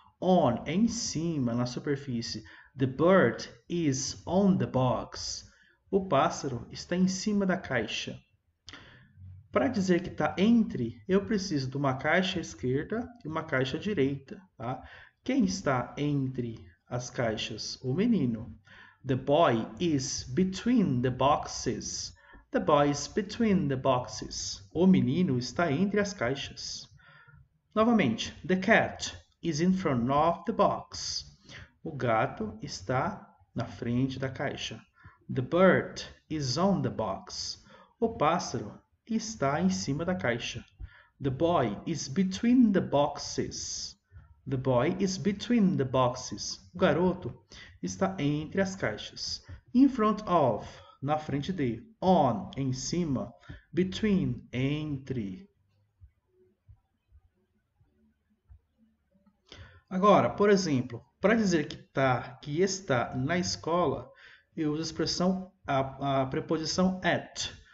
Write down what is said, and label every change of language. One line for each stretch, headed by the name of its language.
English: On
Portuguese: é em cima, na superfície.
English: The bird is on the box.
Portuguese: O pássaro está em cima da caixa. Para dizer que está entre, eu preciso de uma caixa esquerda e uma caixa direita, tá? Quem está entre as caixas? O menino.
English: The boy is between the boxes. The boy is between the boxes.
Portuguese: O menino está entre as caixas. Novamente,
English: the cat is in front of the box.
Portuguese: O gato está na frente da caixa.
English: The bird is on the box.
Portuguese: O pássaro está em cima da caixa.
English: The boy is between the boxes. The boy is between the boxes.
Portuguese: O garoto está entre as caixas.
English: In front of,
Portuguese: na frente de. On, em cima. Between, entre. Agora, por exemplo, para dizer que está na escola, eu uso a preposição at.